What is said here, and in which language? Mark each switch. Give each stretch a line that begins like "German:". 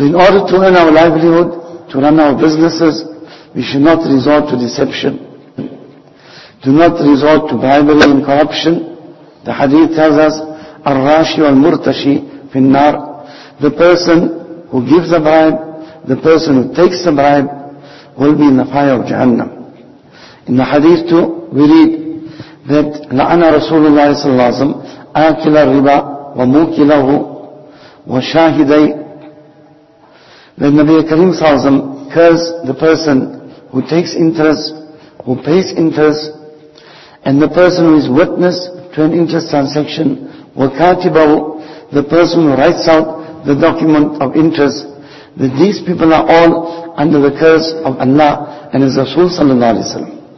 English: So in order to earn our livelihood, to run our businesses, we should not resort to deception. Do not resort to bribery and corruption. The hadith tells us,
Arabic: الراشي والمرتشي في النار.
English: The person who gives a bribe, the person who takes the bribe, will be in the fire of Jahannam. In the hadith too, we read that
Arabic: لعن رسول الله صلى الله عليه وسلم آكل الربا وموكله وشاهدي.
English: Then Nabi Karim
Arabic: صلى الله عليه وسلم
English: curse the person who takes interest, who pays interest, and the person who is witness to an interest transaction,
Arabic: وكاتبه,
English: the person who writes out the document of interest, that these people are all under the curse of Allah and His Rasul sallallahu alayhi wa sallam.